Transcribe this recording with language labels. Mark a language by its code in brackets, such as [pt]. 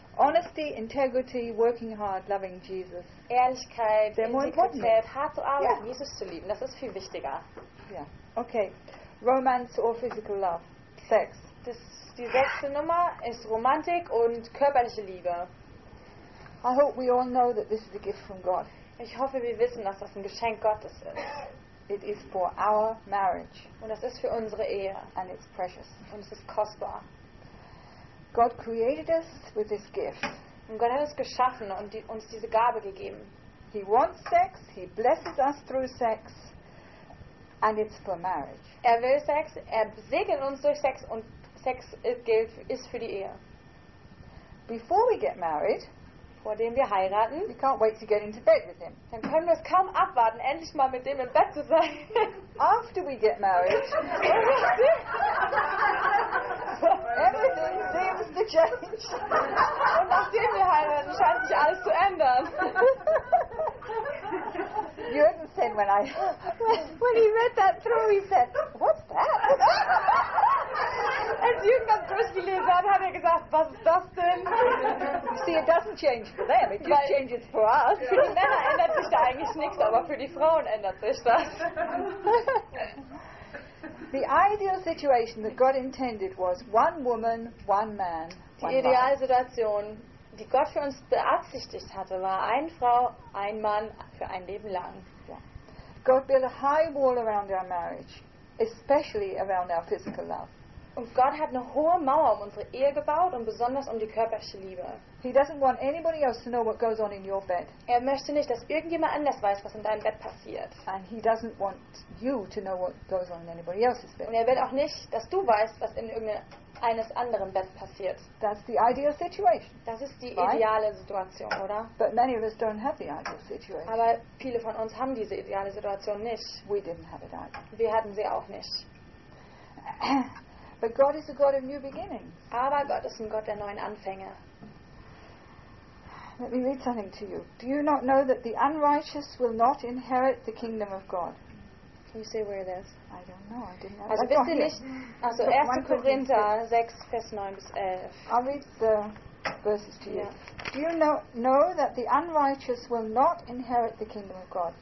[en] Honesty, integrity, working hard, loving Jesus. [de] Ehrlichkeit, Integrität, hart zu arbeiten, yeah. Jesus zu lieben, das ist viel wichtiger. [en] Ja, yeah. Okay. Romance or physical love. Sex. [de] Die sechste Nummer ist Romantik und körperliche Liebe. [en] I hope we all know that this is a gift from God. [de] Ich hoffe, wir wissen, dass das ein Geschenk Gottes ist. [en] It is for our marriage. [de] Und das ist für unsere Ehe. [en] And it's precious. [de] Und es ist kostbar. [en] God created us with this gift. [de] Und Gott hat uns geschaffen und uns diese Gabe gegeben. [en] He wants sex. He blesses us through sex. And it's for marriage. [de] Er will Sex, er segnet uns durch Sex und Sex ist für die Ehe. [en] Before we get married, [de] vor dem wir heiraten. [en] We can't wait to get into bed with him. [de] Dann können wir es kaum abwarten, endlich mal mit dem im Bett zu sein. [en] After we get married. Everything seems to change. [de] Und nachdem wir heiraten, scheint sich alles zu ändern. [en] Jürgen said when I when he read that through, he said, "What's that?" [de] Als Jürgen das durchgelesen hat, hat gesagt, "Was ist das denn?" [en] See, it doesn't change for them; it just changes for us. [de] Für die Männer ändert sich da eigentlich nichts, aber für die Frauen ändert sich das. [en] The ideal situation that God intended was one woman, one man. [de] Die Idealsituation, die Gott für uns beabsichtigt hatte, war eine Frau, ein Mann für ein Leben lang. [en] God built a high wall around our marriage, especially around our physical love. [de] Und Gott hat eine hohe Mauer um unsere Ehe gebaut und besonders um die körperliche Liebe. [en] He doesn't want anybody else to know what goes on in your bed. [de] Er möchte nicht, dass irgendjemand anders weiß, was in deinem Bett passiert. [en] And he doesn't want you to know what goes on in anybody else's bed. [de] Und er will auch nicht, dass du weißt, was in eines anderen Bett passiert. [en] That's the ideal situation. [de] Das ist die ideale Situation, oder? [en] But many of us don't have the ideal situation. [de] Aber viele von uns haben diese ideale Situation nicht. [en] We didn't have it either. [de] Wir hatten sie auch nicht. [en] But God is a God of new beginnings. [de] Aber Gott ist ein Gott der neuen Anfänge. [en] Let me read something to you. Do you not know that the unrighteous will not inherit the kingdom of God? Can you say where it is? I don't know. I didn't know. [de] Also wisst ihr nicht? Also 1. Korinther 6, Vers 9 bis 11. [en] I'll read the verses to you. Yeah. Do you know that the unrighteous will not inherit the kingdom of God?